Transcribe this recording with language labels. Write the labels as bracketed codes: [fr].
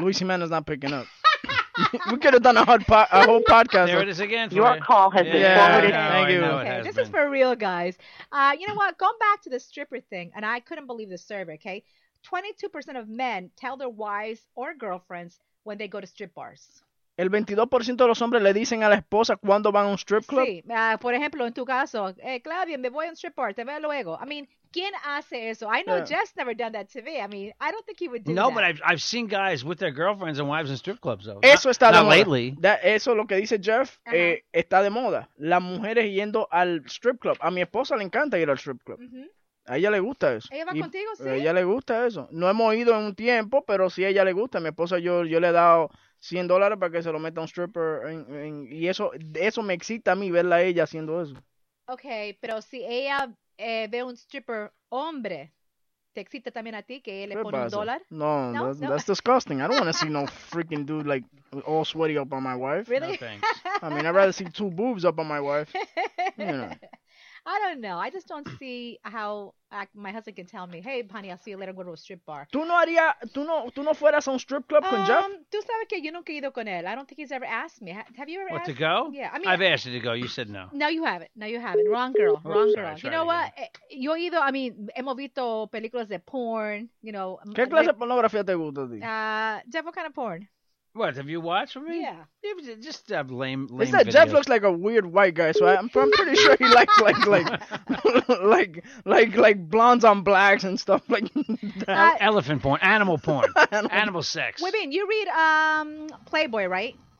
[en] Luis Jimenez not picking up. We could have done a whole podcast. There it is again. Your call has been forwarded. Thank you. This is for real, guys. You know what? Going back to the stripper thing, and I couldn't believe the survey, okay? 22% of men tell their wives or girlfriends when they go to strip bars. [es] El 22% de los hombres le dicen a la esposa cuando van a un strip club. Sí, por ejemplo, en tu caso, Claudia, me voy a un strip bar, te veo luego. [en] I mean, [es] ¿quién hace eso? [en] I know Jess never done that to me. I mean, I don't think he would do that. No, but I've seen guys with their girlfriends and wives in strip clubs, though. [es] Eso está de moda. [en] Not lately. [es] Eso, lo que dice Jeff, está de moda. Las mujeres yendo al strip club. A mi esposa le encanta ir al strip club. Mm-hmm. A ella le gusta eso. ¿Ella va contigo, sí? A ella le gusta eso. No hemos ido en un tiempo, pero sí a ella le gusta. A mi esposa yo le he dado $100 para que se lo meta un stripper. Y eso me excita a mí, verla a ella haciendo eso. Ok, pero si ella ve un stripper hombre, ¿te excita también a ti que él le pone pasa? $1? [en] That's disgusting. I don't want to see no freaking dude like all sweaty up on my wife. Really? No, thanks. I mean, I'd rather see two boobs up on my wife. You know. I don't know. I just don't see how my husband can tell me, hey, honey, I'll see you later. Go to a strip bar. [es] ¿Tú no fueras a un strip club con Jeff? Tú sabes que yo nunca he ido con él. [en] I don't think he's ever asked me. Have you ever asked? to go? Yeah. I mean, I've asked you to go. You said no. No, you haven't. Wrong girl. You know what? [es] Yo he ido, [en] I mean, [es] hemos visto películas de [en] porn, you know. [es] ¿Qué clase de pornografía te gusta a ti? [en] Jeff, what kind of porn? What, have you watched with me? Yeah. Just lame is that videos. Jeff looks like a weird white guy, so I'm pretty sure he likes like blondes on blacks and stuff like that. Elephant porn, animal porn, animal sex. What do you mean? You read Playboy, right?